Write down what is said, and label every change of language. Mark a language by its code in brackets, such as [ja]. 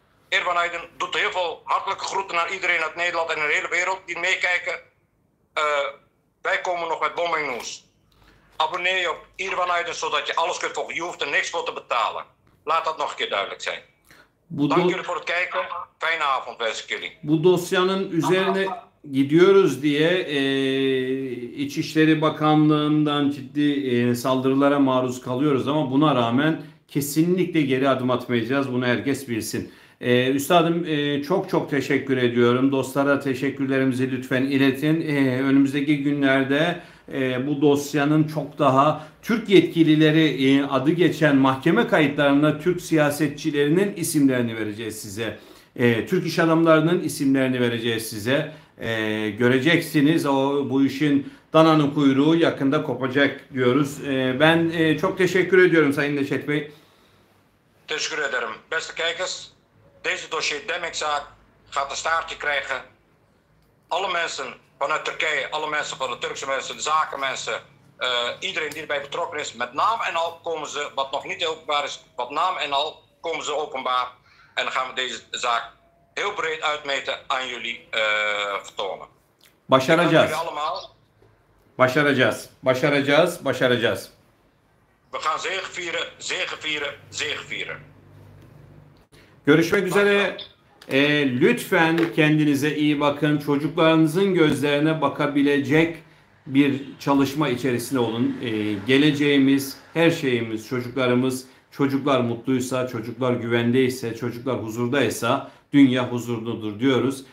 [nl] Irvan Aydın doet heel veel hartelijke groeten naar iedereen uit Nederland en de hele wereld die meekijken. Wij komen nog met [en] bombing news. [nl] Abonneer je op Irvan Aydın zodat je alles kunt volgen. Je hoeft er niks voor te betalen. Laat dat nog een keer duidelijk zijn. Dank jullie voor het kijken. Fijne avond, wens ik jullie. [tr] Bu dosyanın üzerine gidiyoruz diye İçişleri Bakanlığı'ndan ciddi saldırılara maruz kalıyoruz ama buna rağmen kesinlikle geri adım atmayacağız. Bunu herkes bilsin. Üstadım çok çok teşekkür ediyorum. Dostlara teşekkürlerimizi lütfen iletin. Önümüzdeki günlerde bu dosyanın çok daha Türk yetkilileri adı geçen mahkeme kayıtlarında Türk siyasetçilerinin isimlerini vereceğiz size. Türk iş adamlarının isimlerini vereceğiz size. Göreceksiniz o bu işin dananın kuyruğu yakında kopacak diyoruz. Ben çok teşekkür ediyorum Sayın Neşet Bey. Teşekkür ederim. [nl] Beste kijkers. Deze dossier Demirci gaat een staartje krijgen. Alle mensen vanuit Turkije, alle mensen van de Turkse mensen, de zakenmensen, iedereen die erbij betrokken is, met naam en al komen ze, wat nog niet openbaar is, met naam en al komen ze openbaar. En dan gaan we deze zaak heel breed uitmeten aan jullie vertonen. [tr] Başaracağız. [nl] Jullie allemaal. [tr] Başaracağız. Başaracağız. Başaracağız. [nl] We gaan zegen vieren, zegen vieren, zegen vieren. [tr] Görüşmek üzere. Lütfen kendinize iyi bakın. Çocuklarınızın gözlerine bakabilecek bir çalışma içerisinde olun. Geleceğimiz, her şeyimiz, çocuklarımız, çocuklar mutluysa, çocuklar güvendeyse, çocuklar huzurdaysa dünya huzurludur diyoruz.